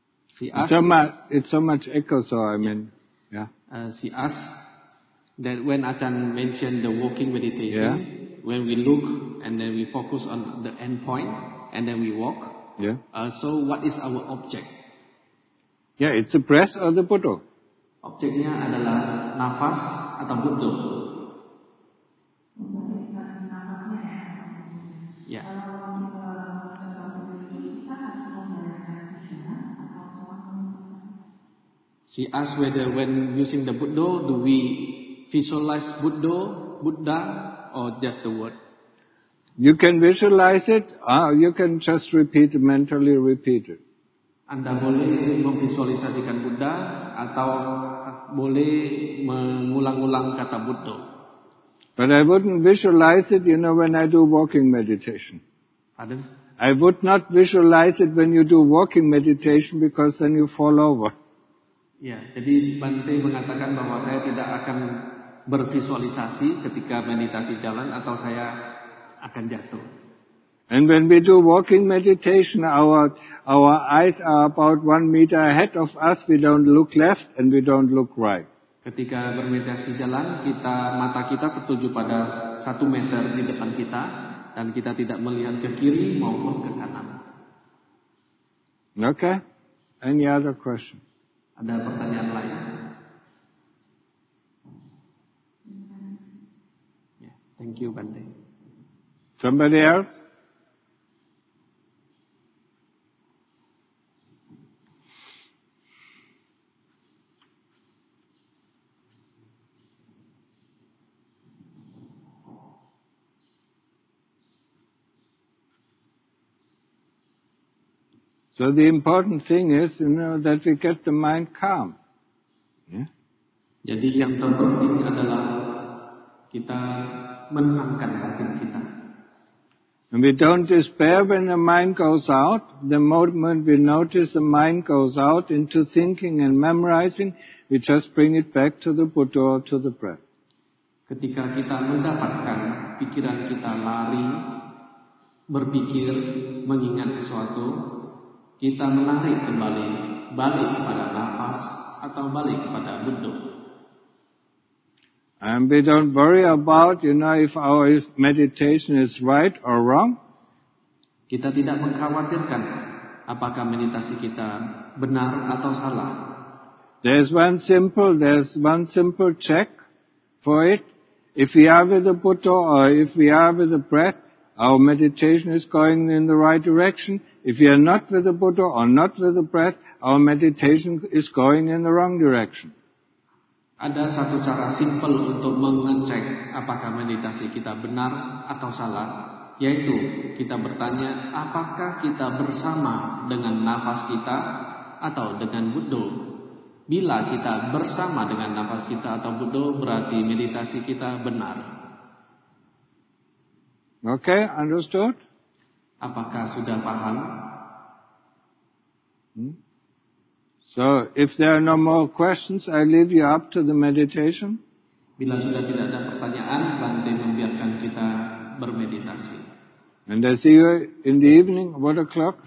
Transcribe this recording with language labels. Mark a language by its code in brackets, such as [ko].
[en] she asked, it's so much echo, so I mean, yeah. She asked that when Achan mentioned the walking meditation, yeah, when we look and then we focus on the end point and then we walk, yeah. So what is our object? Yeah, it's the breath or the Buddha. [id] Objeknya adalah nafas atau Buddha. [en] Yeah. She asked whether when using the Buddha, do we visualize Buddha, Buddha, or just the word? You can visualize it, or you can just repeat, mentally repeat it. [id] Anda boleh memvisualisasikan Buddha atau boleh mengulang-ulang kata Buddha. [en] But I wouldn't visualize it, you know, when I do walking meditation. Pardon? I would not visualize it when you do walking meditation because then you fall over. [id] Ya, jadi Bante mengatakan bahwa saya tidak akan bervisualisasi ketika meditasi jalan atau saya akan jatuh. [en] And when we do walking meditation, our eyes are about 1 meter ahead of us. We don't look left and we don't look right. [id] Ketika bermeditasi jalan, mata kita tertuju pada 1 meter di depan kita dan kita tidak melihat ke kiri maupun ke kanan. [en] Okay. Any other question? [id] Ada pertanyaan lain? [en] Yeah. Thank you, Bante. Somebody else? So the important thing is, you know, that we get the mind calm. Yeah? [id] Jadi yang terpenting adalah kita menenangkan hati kita. [en] And we don't despair when the mind goes out. The moment we notice the mind goes out into thinking and memorizing, we just bring it back to the Buddha or to the breath. [id] Ketika kita mendapatkan pikiran kita lari, berpikir, mengingat sesuatu, kita menarik kembali, balik kepada nafas atau balik kepada Buddha. [en] And we don't worry about, you know, if our meditation is right or wrong. [id] Kita tidak mengkhawatirkan apakah meditasi kita benar atau salah. [en] There's one simple check for it. If we are with the Buddha or if we are with the breath, our meditation is going in the right direction. If you are not with the Buddha or not with the breath, our meditation is going in the wrong direction. [id] Ada satu cara simple untuk mengecek apakah meditasi kita benar atau salah, yaitu kita bertanya apakah kita bersama dengan nafas kita atau dengan Buddha. Bila kita bersama dengan nafas kita atau Buddha, berarti meditasi kita benar. [en] Okay, understood? [id] Apakah sudah paham? [en] So, if there are no more questions, I leave you up to the meditation. [id] Bila sudah tidak ada pertanyaan, Bante membiarkan kita bermeditasi. [en] And I see you in the evening, what o'clock?